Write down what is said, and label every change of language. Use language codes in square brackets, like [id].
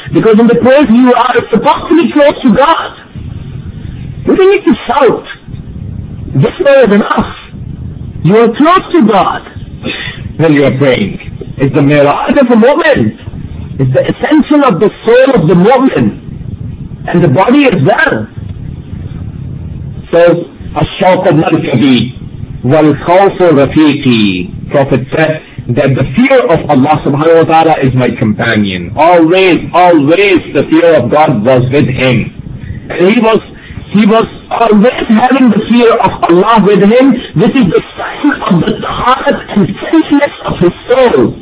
[en] Because in the prayers you are supposed to be close to God. You don't need to shout. This way is enough. You are close to God when you are praying. It's the mirage of a moment. It's the ascension of the soul of the moment. And the body as well. [ar] So, الشوق المركبي والخوف رفيقي. [en] Prophet said that the fear of Allah subhanahu wa ta'ala is my companion. Always, always the fear of God was with him. And he was always having the fear of Allah with him. This is the sign of the tahat and freshness of his soul.